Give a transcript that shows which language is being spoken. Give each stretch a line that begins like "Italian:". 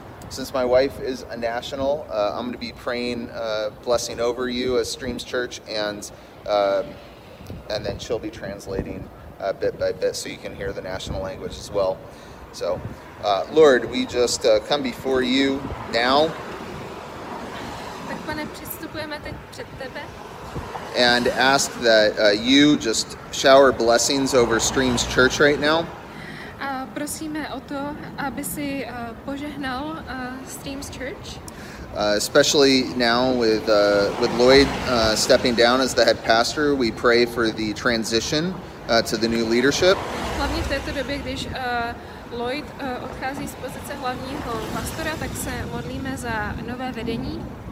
English: Since my wife is a national, I'm going to be praying blessing over you as Streams Church, and then she'll be translating bit by bit so you can hear the national language as well. So, Lord, we just come before you now.
Czech: Tak, pane, přistupujeme teď před tebe.
English: And ask that you just shower blessings over Streams Church right now.
Czech: A prosíme o to, aby si požehnal Streams Church.
English: Especially now with Lloyd stepping down as the head pastor, we pray for the transition to the new leadership.
Czech: Hlavně v této době, když Lloyd odchází z pozice hlavního pastora, tak se modlíme za nové vedení.